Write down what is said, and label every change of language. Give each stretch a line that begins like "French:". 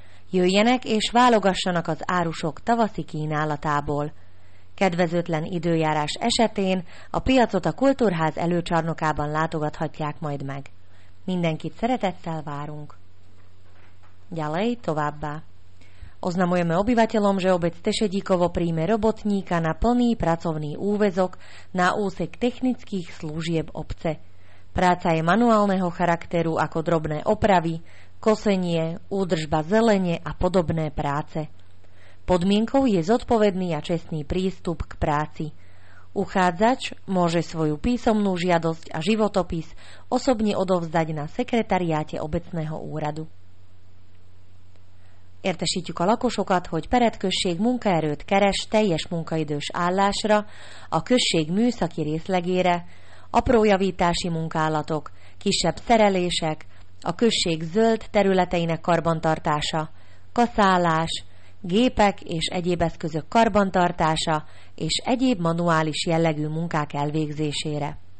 Hungarian: Jöjjenek és válogassanak az árusok tavaszi kínálatából. Kedvezőtlen időjárás esetén a piacot a kultúrház előcsarnokában látogathatják majd meg. Mindenkit szeretettel várunk. Gyalej továbbá.
Slovak: Oznamujeme obyvateľom, že obec Tešedíkovo príjme robotníka na plný pracovný úväzok na úsek technických služieb obce. Práca je manuálneho charakteru ako drobné opravy, kosenie, údržba zelene a podobné práce. Podmienkou je zodpovedný a čestný prístup k práci. Uchádzač môže svoju písomnú žiadosť a životopis osobne odovzdať na sekretariáte obecného úradu.
Hungarian: Értesítjük a lakosokat, hogy Pered község munkaerőt keres teljes munkaidős állásra, a község műszaki részlegére, apró javítási munkálatok, kisebb szerelések, a község zöld területeinek karbantartása, kaszálás, gépek és egyéb eszközök karbantartása és egyéb manuális jellegű munkák elvégzésére.